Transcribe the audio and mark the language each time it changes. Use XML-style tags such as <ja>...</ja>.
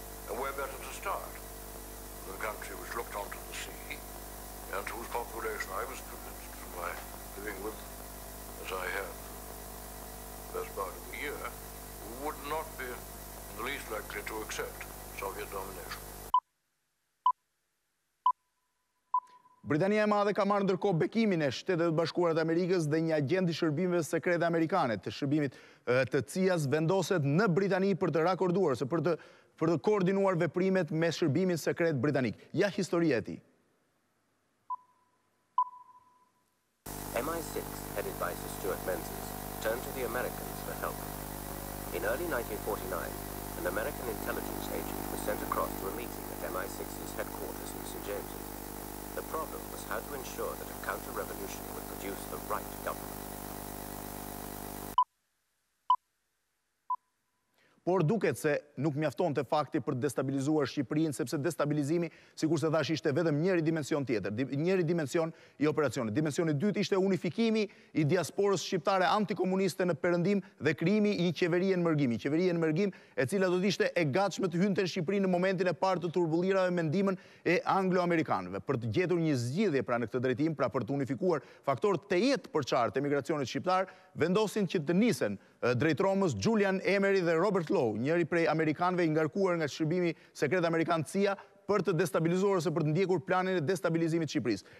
<en>And where better to start? The country which looked onto the sea, and whose population I was convinced from my living with as I have for the best part of a year, would not be the least likely to accept Soviet domination.</en> <sq>Britania e Madhe ka marrë ndërkohë bekimin e Shtetet e Bashkuara të Amerikës dhe një agjent i shërbimeve sekrete amerikane të shërbimit të CIA-s vendoset në Britani për të raakorduar ose për të koordinuar veprimet me shërbimin sekret britanik. Ja historia e tij.</sq> <en>MI6, headed by Sir Stuart Menzies, turned to the Americans for help. In early 1949, an American intelligence agent was sent across to a meeting at MI6's headquarters in St. James's. The problem was how to ensure that a counter-revolution would produce the right government.</en> <sq>Por duket se nuk mjaftonte fakti për destabilizuar Shqipërinë, sepse destabilizimi, sikurse thash, ishte vetëm njëri dimension tjetër, njëri dimension i operacionit. Dimensioni i dytë ishte unifikimi i diasporës shqiptare antikomuniste në Perëndim dhe krijimi i qeverisë mërgimi, qeverisë mërgim e cila do të ishte e gatshme të hynte në Shqipëri në momentin e parë të turbullirave me ndihmën e anglo-amerikanëve, për të gjetur një zgjidhje pra në këtë drejtim, pra për të unifikuar faktorët të jetë për çart të emigracionit shqiptar, vendosin që të nisen drejtromës Julian Emery dhe Robert Law, njëri prej Amerikanve i ngarkuar nga shërbimi sekret Amerikan CIA, për të destabilizuar ose për të ndjekur planin e destabilizimit Shqipëris.</sq>